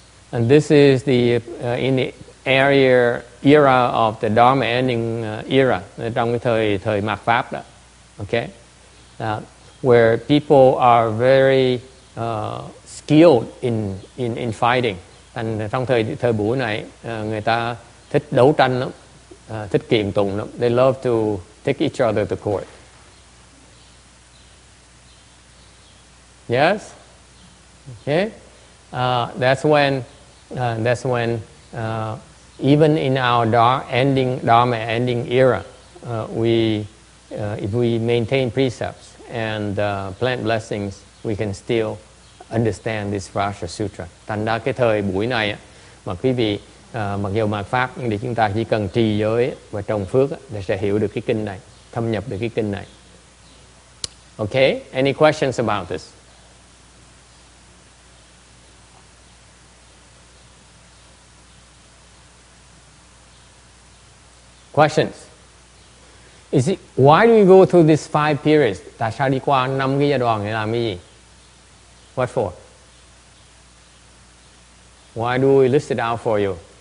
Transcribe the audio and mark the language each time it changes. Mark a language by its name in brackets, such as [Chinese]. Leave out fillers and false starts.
[English] And this is the in the era of the Dharma ending era, [Vietnamese] trong cái thời mạt pháp đó. [English] Okay? Where people are very skilled in fighting. [Vietnamese] Thành trong thời buổi này người ta thích đấu tranh lắm, thích kiện tụng lắm. [English] They love to take each other to court. Yes? Okay? That's when even in our Dharma ending era, if we maintain precepts and plant blessings, we can still understand this Vajra Sutra. [Vietnamese] Thành ra cái thời buổi này mà quý vị mặc dù mạt pháp nhưng để chúng ta chỉ cần trì giới và trồng phước để sẽ hiểu được cái kinh này, thâm nhập được cái kinh này. [English] Okay, any questions about this? Questions? Why do we go through these five periods? [Vietnamese] Tại sao đi qua năm cái giai đoạn để làm cái gì? [English] What for? Why do we list it out for you?